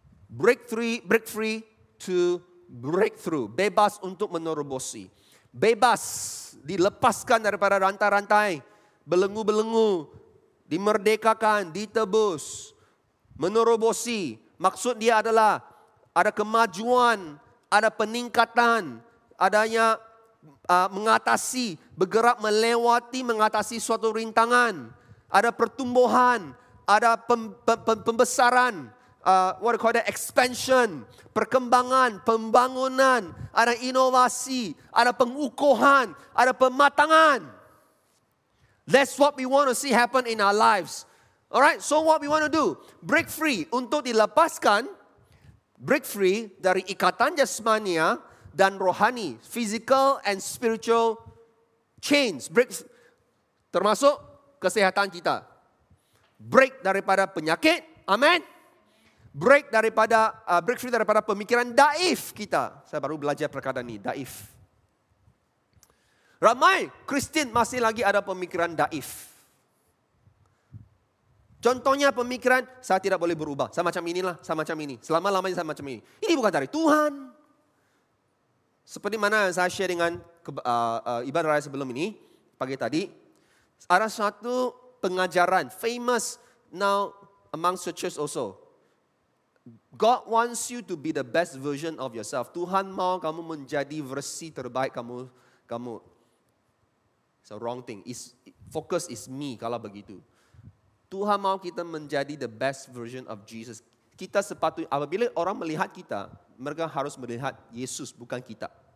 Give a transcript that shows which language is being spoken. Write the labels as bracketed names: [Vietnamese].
[English] Break free to breakthrough. [Malay] Bebas untuk menerobosi. Bebas dilepaskan daripada rantai-rantai. Belenggu-belenggu. Dimerdekakan, ditebus. Menerobosi. Maksud dia adalah ada kemajuan, ada peningkatan, adanya mengatasi, bergerak melewati, mengatasi suatu rintangan. Ada pertumbuhan, ada pembesaran, [English] what do you call that? [Malay] Expansion, perkembangan, pembangunan, ada inovasi, ada pengukuhan, ada pematangan. [English] That's what we want to see happen in our lives. Alright, so what we want to do? [Malay] Break free untuk dilepaskan, break free dari ikatan jasmania dan rohani, [English] physical and spiritual chains, [Malay] break termasuk kesehatan kita, break daripada penyakit, amen, break daripada break free daripada pemikiran daif kita. Saya baru belajar perkataan ini, daif. Ramai Kristen masih lagi ada pemikiran daif. Contohnya pemikiran, saya tidak boleh berubah. Sama macam ini. Selama-lamanya sama macam ini. Ini bukan dari Tuhan. Seperti mana yang saya share dengan ibadah raya sebelum ini, pagi tadi. Ada satu pengajaran, [English] famous now among churches also. God wants you to be the best version of yourself. [Malay] Tuhan mau kamu menjadi versi terbaik kamu. [English] It's a wrong thing. Focus is me [Malay] kalau begitu. Tuhan mau kita menjadi [English] the best version of Jesus. [Malay] Kita sepatutnya, apabila orang melihat kita, mereka harus melihat Yesus, bukan kita.